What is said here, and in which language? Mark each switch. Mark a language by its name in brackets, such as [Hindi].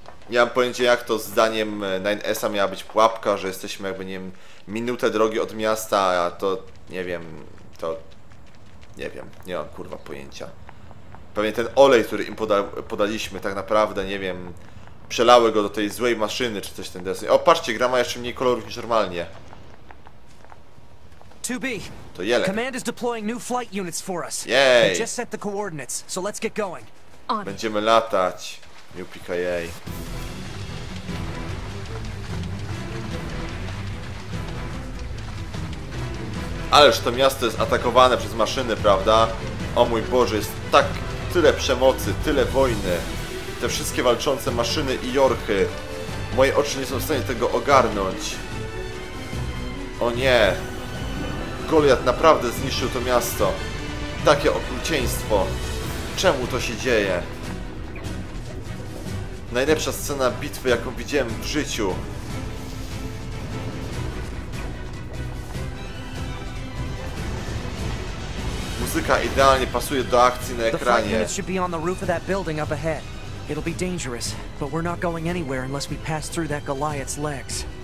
[Polish] Nie mam pojęcia, jak to zdaniem 9S-a miała być pułapka, że jesteśmy jakby, nie wiem, minutę drogi od miasta, a to, nie wiem, to, nie wiem, nie mam kurwa pojęcia. Pewnie ten olej, który im podaliśmy, tak naprawdę, nie wiem, przelały go do tej złej maszyny, czy coś w ten deseń. O, patrzcie, gra ma jeszcze mniej kolorów niż normalnie. [English] 2B, to jelek. Command is deploying new flight units for us. [Polish] Jej. [English] They just set the coordinates, so let's get going. [Polish] Będziemy latać. Jupika, jej. Ależ to miasto jest atakowane przez maszyny, prawda? O mój Boże, jest tak tyle przemocy, tyle wojny. Te wszystkie walczące maszyny i jorchy. Moje oczy nie są w stanie tego ogarnąć. O nie. Goliath naprawdę zniszczył to miasto. Takie okrucieństwo. Czemu to się dzieje? Najlepsza scena bitwy, jaką widziałem w życiu. Muzyka idealnie pasuje do akcji na ekranie. [English] The should be on the roof of that building up ahead. It'll be dangerous, but we're not going anywhere unless we pass through that Goliath's legs.